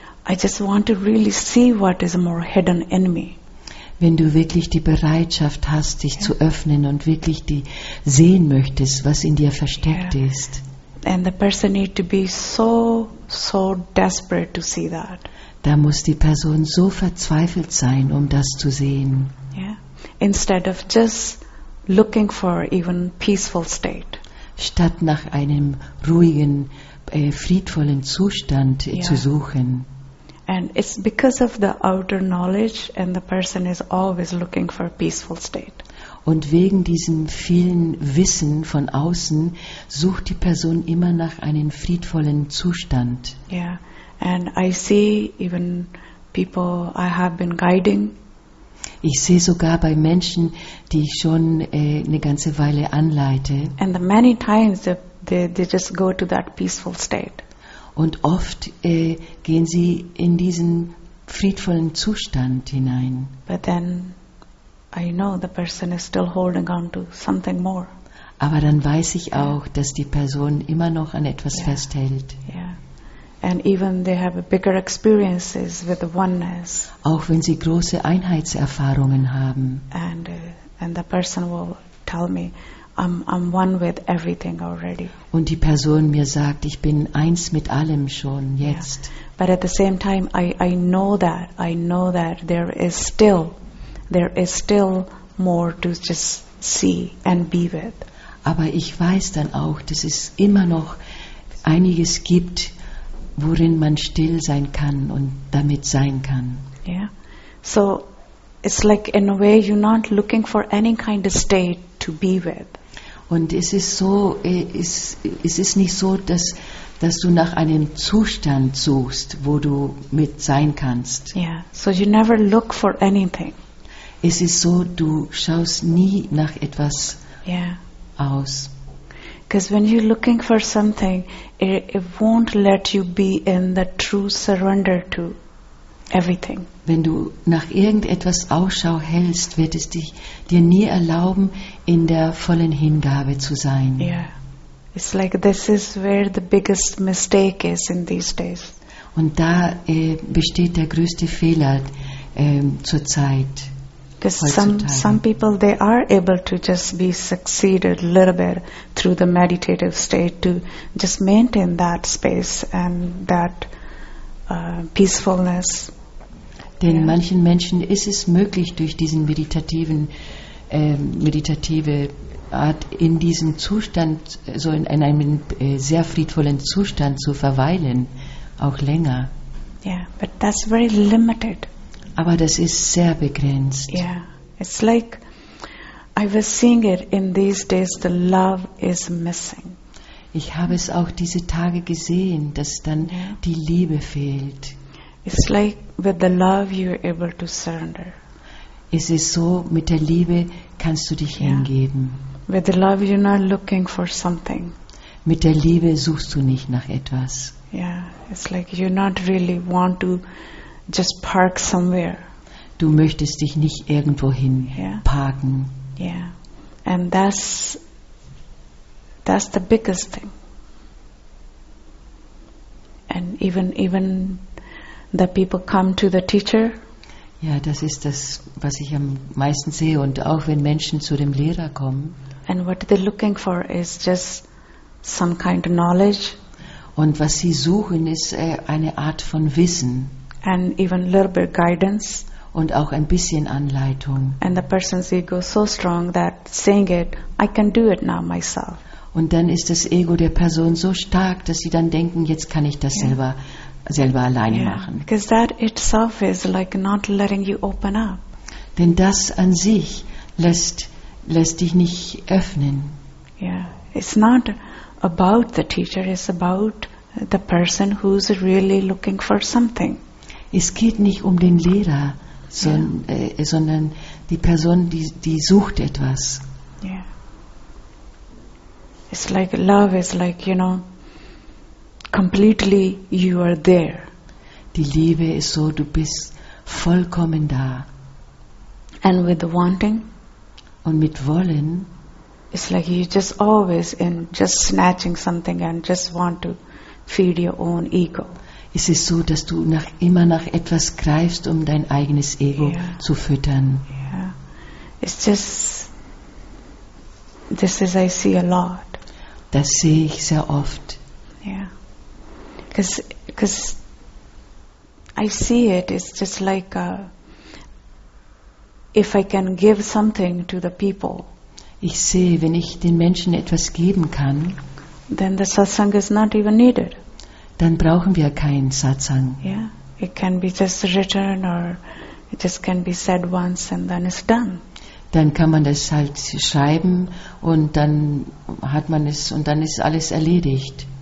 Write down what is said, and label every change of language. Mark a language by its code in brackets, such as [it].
[en] I just want to really see what is more hidden in me. [de] Wenn du wirklich die Bereitschaft hast, dich yeah. zu öffnen und wirklich die sehen möchtest, was in dir versteckt yeah. ist. [en] And the person need to be so desperate to see that. [de] Da muss die Person so verzweifelt sein, um das zu sehen. [en] Yeah. Instead of just looking for even peaceful state. [de] Statt nach einem ruhigen, friedvollen Zustand yeah. zu suchen. [en] And it's because of the outer knowledge and the person is always looking for a peaceful state. [de] Und wegen diesem vielen Wissen von außen sucht die Person immer nach einem friedvollen Zustand. [en] Yeah, and I see even people I have been guiding. [de] Ich sehe sogar bei Menschen, die ich schon eine ganze Weile anleite. [en] And the many times they just go to that peaceful state. [de] Und oft gehen sie in diesen friedvollen Zustand hinein. [en] But then I know the person is still holding on to something more. [de] Aber dann weiß ich auch, dass die Person immer noch an etwas yeah. festhält. Yeah. [en] And even they have bigger experiences with the oneness. [de] Auch wenn sie große Einheitserfahrungen haben. [en] And the person will tell me, I'm one with everything already. [de] Und die Person mir sagt, ich bin eins mit allem schon jetzt. Yeah. [en] But at the same time, I know that there is still more to just see and be with. [de] Aber ich weiß dann auch, dass es immer noch einiges gibt, worin man still sein kann und damit sein kann. Yeah. [en] So it's like in a way you're not looking for any kind of state to be with. [de] Und es ist so, es ist nicht so, dass du nach einem Zustand suchst, wo du mit sein kannst. [en] Yeah. So you never look for anything. [de] Es ist so, du schaust nie nach etwas yeah. aus. [en] Because when you're looking for something, it won't let you be in the true surrender to everything. [de] Wenn du nach irgendetwas Ausschau hältst, wird es dir nie erlauben, in der vollen Hingabe zu sein. Yeah. [en] It's like this is where the biggest mistake is in these days. [de] Und da besteht der größte Fehler zur Zeit. [en] Because some people they are able to just be succeeded a little bit through the meditative state to just maintain that space and that peacefulness. [de] Denn yeah. manchen Menschen ist es möglich, durch diesen meditative Art in diesem Zustand, so in einem sehr friedvollen Zustand zu verweilen, auch länger. [en] Yeah, but that's very limited. [de] Aber das ist sehr begrenzt. [en] Yeah, it's like I was seeing it in these days. The love is missing. [de] Ich habe es auch diese Tage gesehen, dass dann die Liebe fehlt. [en] It's like with the love you're able to surrender. [de] Es ist so, mit der Liebe kannst du dich yeah. hingeben. [en] With the love you're not looking for something. [de] Mit der Liebe suchst du nicht nach etwas. [en] Yeah, it's like you not really want to just park somewhere. [de] du möchtest dich nicht irgendwohin parken. [en] Yeah. And that's the biggest thing. And even the people come to the teacher. [de] Ja, das ist das, was ich am meisten sehe, und auch wenn Menschen zu dem Lehrer kommen. [en] And what they're looking for is just some kind of knowledge. [de] Und was sie suchen, ist eine Art von Wissen. [en] And even a little bit of guidance. [de] Und auch ein bisschen Anleitung. [en] And the person's ego so strong that saying it, I can do it now myself. [de] Und dann ist das Ego der Person so stark, dass sie dann denken, jetzt kann ich das selber alleine machen. [en] Because that itself is like not letting you open up. [de] Denn das an sich lässt dich nicht öffnen. [en] Yeah, it's not about the teacher, it's about the person who's really looking for something. [de] Es geht nicht um den Lehrer, sondern die Person, die sucht etwas. Yeah. [en] It's like love is like, you know, completely you are there. [de] Die Liebe ist so, du bist vollkommen da. [en] And with the wanting. [de] Und mit Wollen. [en] It's like you just always in just snatching something and just want to feed your own ego. [de] Es ist so, dass du immer nach etwas greifst, um dein eigenes Ego zu füttern. Yeah. [en] It's just, this is I see a lot. [de] Das sehe ich sehr oft. Yeah. [en] Because I see it, it's just like if I can give something to the people. [de] Ich sehe, wenn ich den Menschen etwas geben kann, [en] then the satsang is not even needed. [de] Dann brauchen wir keinen Satsang. [en] Yeah, it can be just written or it just can be said once and then it's done. [de] Dann kann man das halt schreiben und dann hat man es und dann ist alles erledigt.